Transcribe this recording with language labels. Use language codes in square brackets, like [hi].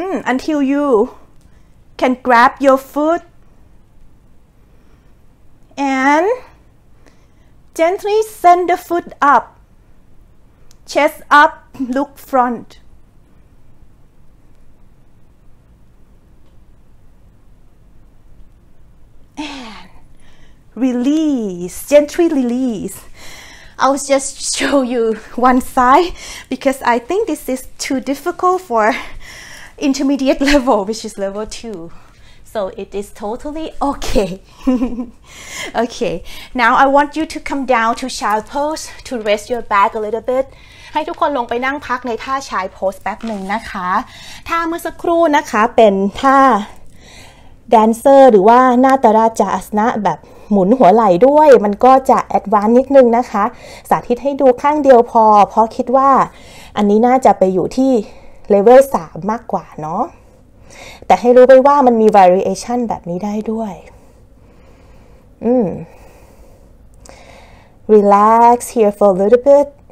[en] until youcan grab your foot and gently send the foot up chest up look front and release gently release I'll just show you one side because I think this is too difficult forIntermediate level, which is level 2. So it is totally okay. Okay. Now I want you to come down to child pose to rest your back a little bit. [th] ให้ทุกคนลงไปนั่งพักในท่าชายโพสแป๊บหนึ่งนะคะท่าเมื่อสักครู่นะคะเป็นท่าแดนเซอร์หรือว่าหน้าตาราจาอัสนะแบบหมุนหัวไหล่ด้วยมันก็จะแอดวานซ์นิดนึงนะคะสาธิตให้ดูข้างเดียวพอเพราะคิดว่าอันนี้น่าจะไปอยู่ที่เลเวล3มากกว่าเนาะแต่ให้รู้ไว้ว่ามันมี variation แบบนี้ได้ด้วย [en] Relax here for a little bit